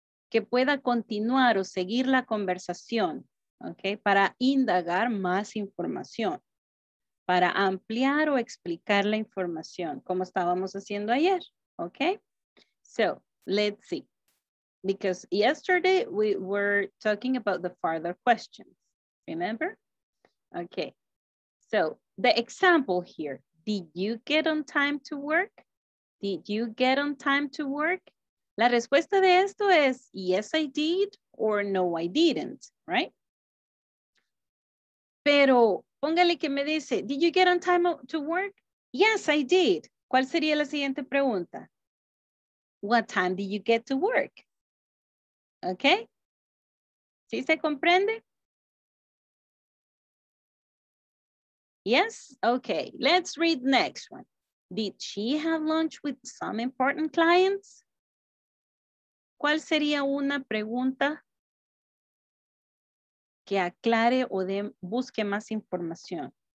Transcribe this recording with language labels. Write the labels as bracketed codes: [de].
[es] Que pueda continuar o seguir la conversación, ¿ok? Para indagar más información, para ampliar o explicar la información, como estábamos haciendo ayer, ¿ok? [en] So, let's see. Because yesterday we were talking about the further questions, remember? Ok. So, the example here, did you get on time to work? Did you get on time to work? [es] La respuesta de esto es, [en] yes, I did, or no, I didn't, right? [es] Pero, póngale que me dice, [en] did you get on time to work? Yes, I did. [es] ¿Cuál sería la siguiente pregunta? [en] What time did you get to work? Okay? [es] ¿Sí se comprende? [en] Yes, okay, let's read next one. Did she have lunch with some important clients? [es] ¿Cuál sería una pregunta que aclare o de, busque más información?